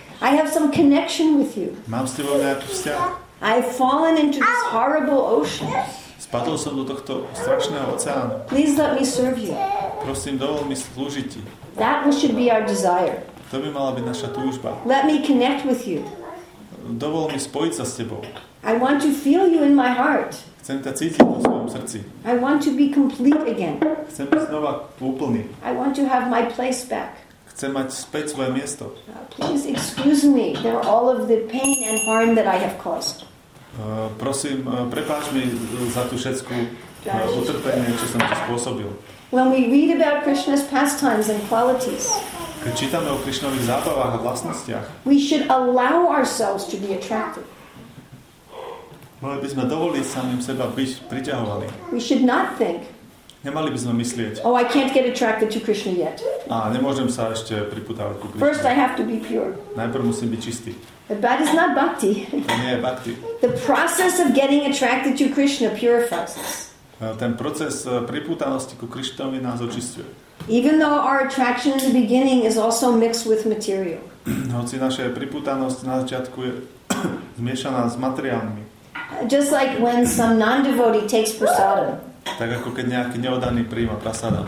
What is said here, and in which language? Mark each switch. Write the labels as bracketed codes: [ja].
[en] I have some connection with you. [sk] Mám s tebou nejaký vzťah. [en] I've fallen into this horrible ocean. [sk] Spadol som do tohto strašného oceánu. [en] Please let me serve you. [sk] Prosím, dovol mi slúžiť ti. [en] That should be our desire. [sk] To by mala byť naša túžba. [en] Let me connect with you. [sk] Dovol mi spojiť sa s tebou. [en] I want to feel you in my heart. [sk] Chcem ťa cítiť vo svojom srdci. [en] I want to be complete again. [sk] Chcem byť znova úplný. [en] I want to have my place back. [sk] Chcem mať späť svoje miesto. [en] Please excuse me for all of the pain and harm that I have caused. [sk] Prosím, prepáč mi za tú všetku utrpenie, čo som ti spôsobil. [en] When we read about Krishna's pastimes and qualities, [sk] keď čítame o Krišnových zábavách a vlastnostiach, [en] we should allow ourselves to be attracted. [sk] Mali by sme dovoliť samým seba byť priťahovaní. [en] We should not think, [sk] nemali by sme myslieť, [en] oh, I can't get attracted to Krishna yet. [sk] A nemôžem sa ešte priputávať ku Krišne. [en] First I have to be pure. [sk] Najprv musím byť čistý. [en] But that is not bhakti. [sk] To nie je bhakti. [en] The process of getting attracted to Krishna purifies us. [sk] Ten proces pripútanosti ku Krištovi nás očistuje. [en] Even though our attraction in the beginning is also mixed with material. [sk] Hoci naša pripútanosť na začiatku je zmiešaná s materiálmi. [en] Just like when some non-devotee takes prasada. [sk] Tak ako keď nejaký neodaný prijíma prasada.